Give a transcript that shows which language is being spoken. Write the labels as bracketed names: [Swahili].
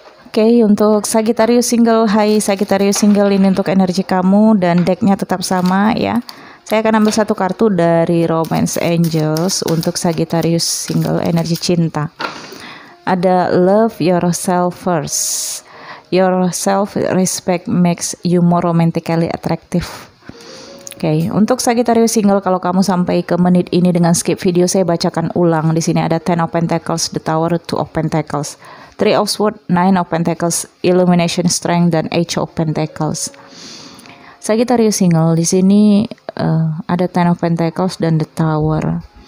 [Indonesian] Oke, untuk Sagittarius single, hai Sagittarius single, ini untuk energi kamu dan decknya tetap sama ya. Saya akan ambil satu kartu dari Romance Angels untuk Sagittarius single, energi cinta. Ada [English] love yourself first. Your self-respect makes you more romantically attractive. [Indonesian] Oke, untuk Sagittarius single, kalau kamu sampai ke menit ini dengan skip video, saya bacakan ulang. Di sini ada Ten of Pentacles, The Tower, Two of Pentacles, Three of Swords, Nine of Pentacles, Illumination Strength, dan Eight of Pentacles. Sagittarius single, di sini ada Ten of Pentacles dan The Tower.